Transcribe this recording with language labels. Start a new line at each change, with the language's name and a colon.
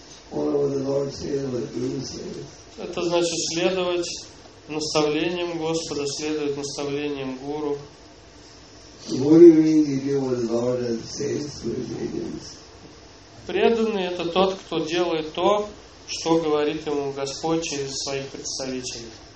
English: Follow what the Lord says, what the Guru says.
Russian: Это значит следовать наставлениям Господа, следовать наставлениям Гуру.
English: Guru means you do what the Lord says to his agents.
Russian: Преданный — это тот, кто делает то, что говорит ему Господь через своих представителей.